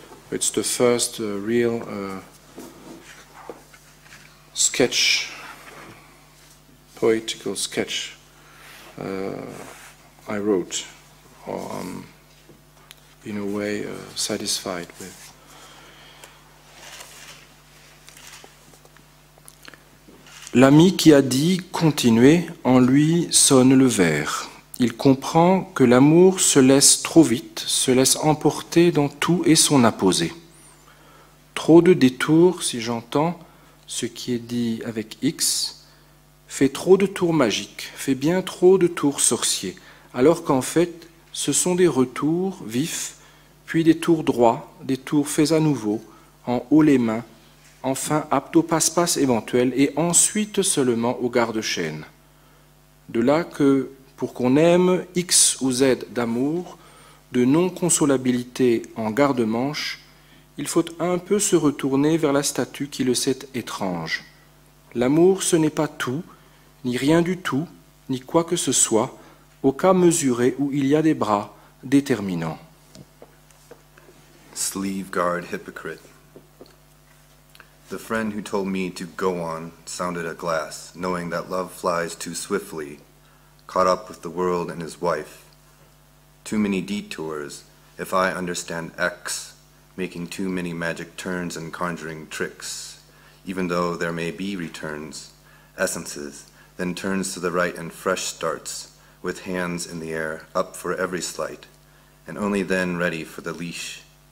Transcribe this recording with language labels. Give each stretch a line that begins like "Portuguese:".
English: It's the first real sketch. Poetical sketch I wrote, or in a way satisfied with.
French: L'ami qui a dit continuer en lui sonne le verre. Il comprend que l'amour se laisse trop vite, se laisse emporter dans tout et son apposé. Trop de détours, si j'entends ce qui est dit avec X. Fait trop de tours magiques, fait bien trop de tours sorciers, alors qu'en fait, ce sont des retours vifs, puis des tours droits, des tours faits à nouveau, en haut les mains, enfin apte au passe-passe éventuel, et ensuite seulement au garde-chaîne. De là que, pour qu'on aime X ou Z d'amour, de non-consolabilité en garde-manche, il faut un peu se retourner vers la statue qui le sait étrange. L'amour, ce n'est pas tout, ni rien du tout, ni quoi que ce soit, au cas mesuré où il y a des bras déterminants.
English: Sleeve guard hypocrite. The friend who told me to go on sounded a glass, knowing that love flies too swiftly, caught up with the world and his wife. Too many detours, if I understand X, making too many magic turns and conjuring tricks, even though there may be returns, essences, then turns to the right and fresh starts, with hands in the air, up for every slight, and only then ready for the leash.